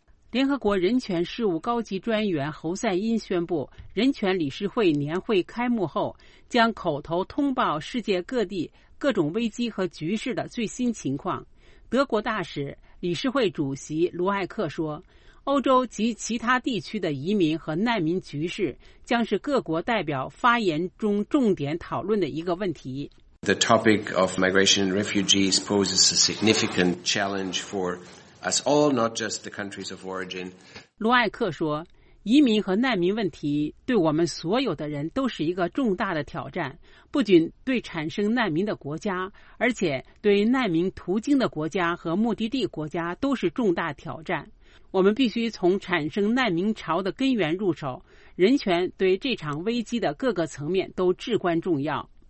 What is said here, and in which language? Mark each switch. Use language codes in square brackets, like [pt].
[zh] 联合国人权事务高级专员侯赛因宣布，人权理事会年会开幕后，将口头通报世界各地各种危机和局势的最新情况。德国大使、理事会主席卢艾克说，欧洲及其他地区的移民和难民局势将是各国代表发言中重点讨论的一个问题。 [en] The topic of migration and refugees poses a significant challenge for us all, not just the countries of origin. [zh] 卢艾克说，移民和难民问题对我们所有的人都是一个重大的挑战，不仅对产生难民的国家，而且对难民途经的国家和目的地国家都是重大挑战。我们必须从产生难民潮的根源入手，人权对这场危机的各个层面都至关重要。